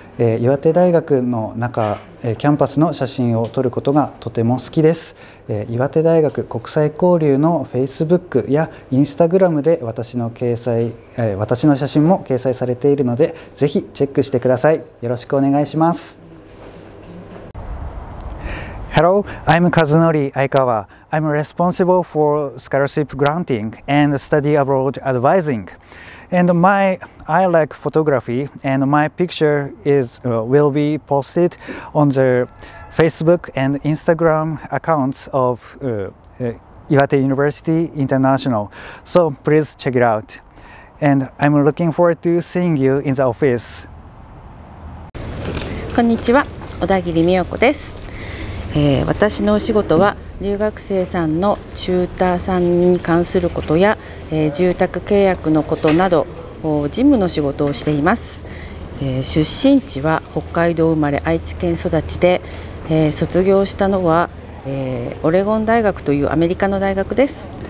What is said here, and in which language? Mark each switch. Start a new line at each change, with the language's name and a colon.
Japanese: 岩手大学の中、キャンパスの写真を撮ることがとても好きです。岩手大学国際交流の Facebook や Instagram で私の写真も掲載されているので、ぜひチェックしてください。よろしくお願いします。
English: Hello, I'm Kazunori Aikawa. I'm responsible for scholarship granting and study abroad advising. And my, I like photography, and my picture is, will be posted on the Facebook and Instagram accounts of Iwate University International. So please check it out. And I'm looking forward to seeing you in the office.
Japanese: こんにちは、小田切美代子です。私のお仕事は留学生さんのチューターさんに関することや、住宅契約のことなど事務の仕事をしています。出身地は北海道生まれ愛知県育ちで、卒業したのは、オレゴン大学というアメリカの大学です。